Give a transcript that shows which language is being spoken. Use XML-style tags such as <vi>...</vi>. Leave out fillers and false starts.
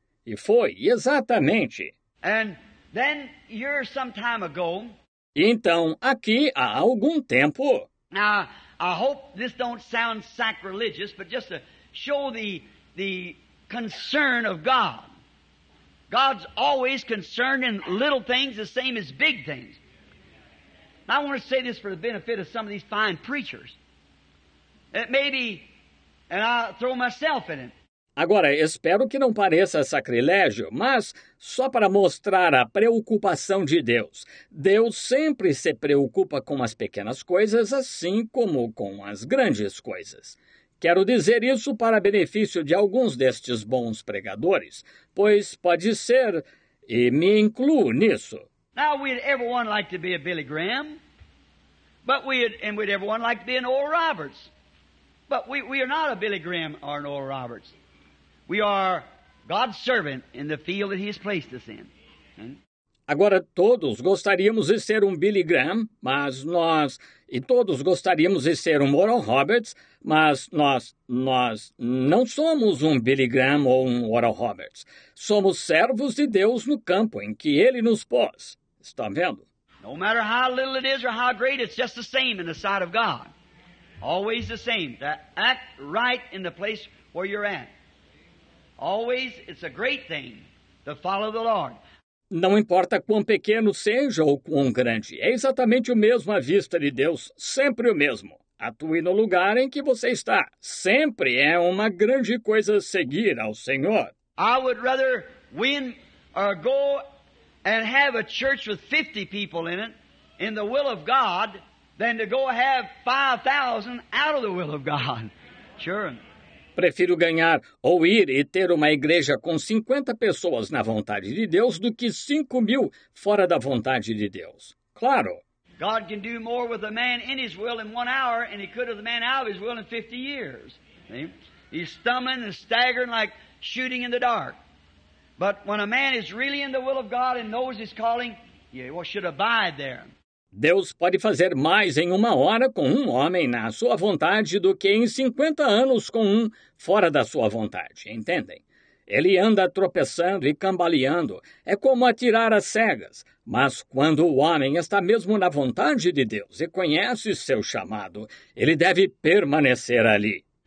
<pt>E foi, exatamente.</pt> <en>And then, here some time ago.</en> <pt>Então, aqui, há algum tempo.</pt> <en>Now, I hope this don't sound sacrilegious, but just to show the concern of God. God's always concerned in little things the same as big things. And I want to say this for the benefit of some of these fine preachers. It may be, and I throw myself in it.</en> <pt>Agora, espero que não pareça sacrilégio, mas só para mostrar a preocupação de Deus. Deus sempre se preocupa com as pequenas coisas, assim como com as grandes coisas. Quero dizer isso para benefício de alguns destes bons pregadores, pois pode ser, e me incluo nisso.</pt> <en>Now, we'd everyone like to be a Billy Graham, but we'd everyone like to be an Oral Roberts. But we are not a Billy Graham or an Oral Roberts. We are God's servant in the field that he has placed us in.</en> <pt>Agora, todos gostaríamos de ser um Billy Graham, mas nós... E todos gostaríamos de ser um Oral Roberts, mas nós não somos um Billy Graham ou um Oral Roberts. Somos servos de Deus no campo em que ele nos pôs. Está vendo?</pt> <en>No matter how little it is or how great, it's just the same in the sight of God. Always the same. To act right in the place where you're at. Always, it's a great thing to follow the Lord.</en> <pt>Não importa quão pequeno seja ou quão grande, é exatamente o mesmo à vista de Deus, sempre o mesmo. Atue no lugar em que você está. Sempre é uma grande coisa seguir ao Senhor.</pt> <en>I would rather win or go and have a church with 50 people in the will of God, than to go have 5,000 out of the will of God.</en> <pt>Prefiro ganhar ou ir e ter uma igreja com 50 pessoas na vontade de Deus do que 5 mil fora da vontade de Deus. Claro.</pt> <en>God can do more with a man in his will in 1 hour than he could with a man out of his will in 50 years. He's stumbling and staggering like shooting in the dark. But when a man is really in the will of God and knows his calling, he should abide there.</en> <pt>Deus pode fazer mais em 1 hora com um homem na sua vontade do que em 50 anos com um fora da sua vontade, entendem? Ele anda tropeçando e cambaleando, é como atirar às cegas. Mas quando o homem está mesmo na vontade de Deus e conhece seu chamado, ele deve permanecer ali.</pt>